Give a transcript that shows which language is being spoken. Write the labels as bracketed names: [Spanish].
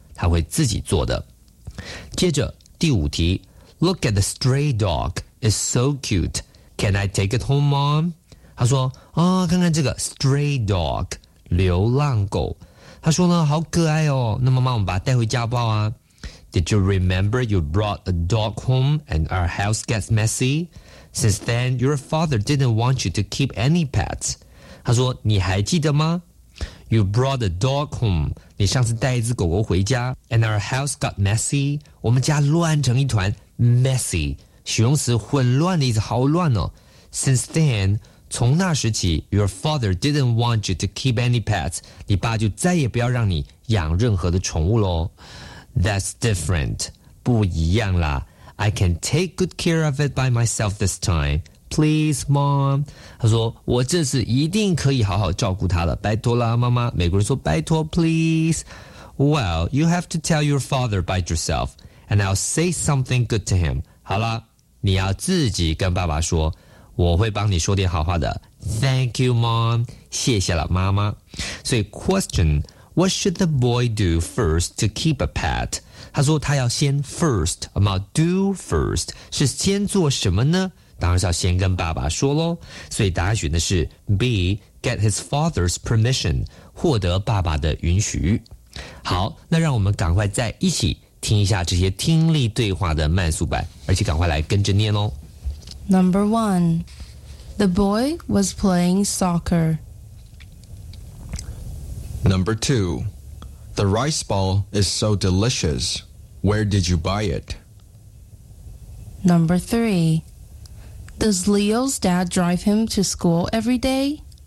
[Chinese] 他会自己做的。接着第五题。 [English] Look at the stray dog. is so cute. Can I take it home, Mom? [Chinese] 他说、哦、看看这个 stray dog, 流浪狗。他说呢好可爱哦，那妈妈我们把它带回家吧、啊。 [English] Did you remember you brought a dog home and our house gets messy? Since then, your father didn't want you to keep any pets. [Chinese] 他说你还记得吗？ [English] You brought a dog home. [Chinese] 你上次带一只狗狗回家。 [English] And our house got messy. [Chinese] 我们家乱成一团。 [English] Messy. [Chinese] 形容词混乱的意思，好乱哦。 [English] Since then, [Chinese] 从那时起 [English] your father didn't want you to keep any pets. [Chinese] 你爸就再也不要让你养任何的宠物咯。 [English] That's different. [Chinese] 不一样啦。 [English] I can take good care of it by myself this time. Please, Mom. [Chinese] 他说我这次一定可以好好照顾他了。拜托啦，妈妈。美国人说拜托 please. [English] Well, you have to tell your father by yourself, and I'll say something good to him. [Chinese] 好啦，你要自己跟爸爸说，我会帮你说点好话的。 [English] Thank you, Mom. [Chinese] 谢谢了，妈妈。 [English] 所以 question, what should the boy do first to keep a pet? [Chinese] 他说他要先 first, [English] about do first, [Chinese] 是先做什么呢？当然是要先跟爸爸说咯，所以答案选的是 B, [English] get his father's permission, [Chinese] 获得爸爸的允许。好，那让我们赶快再一起听一下这些听力对话的慢速版，而且赶快来跟着念咯。 [English] Number one, the boy was playing soccer. Number two, the rice ball is so delicious. Where did you buy it? Number three,Does Leo's dad drive him to school every day?